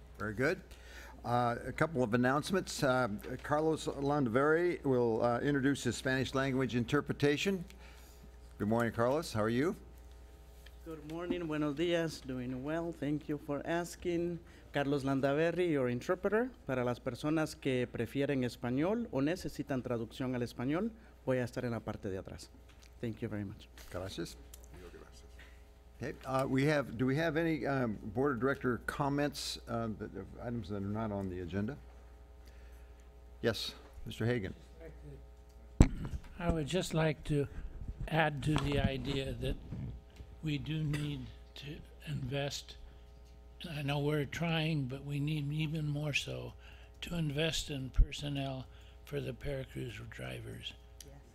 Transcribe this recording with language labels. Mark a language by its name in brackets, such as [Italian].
[English] Very good. A couple of announcements. Carlos Landaveri will introduce his Spanish language interpretation. Good morning, Carlos. How are you? Good morning, [Spanish] buenos dias, [English] doing well, thank you for asking. Carlos Landaveri, your interpreter. [Spanish] Para las personas que prefieren español o necesitan traducción al español, voy a estar en la parte de atrás. [English] Thank you very much. [Spanish] Gracias. [English] Hey, do we have any board of director comments, items that are not on the agenda? Yes, Mr. Hagen. I would just like to add to the idea that we do need to invest, and I know we're trying, but we need even more so to invest in personnel for the Paracruz drivers. Yes.